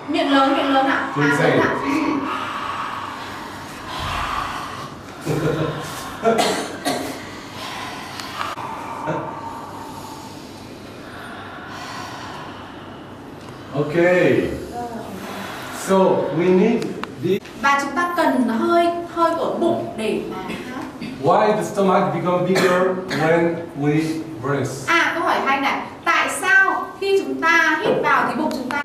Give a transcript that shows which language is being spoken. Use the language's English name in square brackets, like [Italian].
[Vietnamese] Miệng lớn ạ. Okay. [English] So we need the. [Vietnamese] Và chúng ta cần hơi hơi của bụng để mà. [English] Why the stomach become bigger when we breathe? [Vietnamese] À, câu hỏi hay này. Tại sao khi chúng ta hít vào thì bụng chúng ta?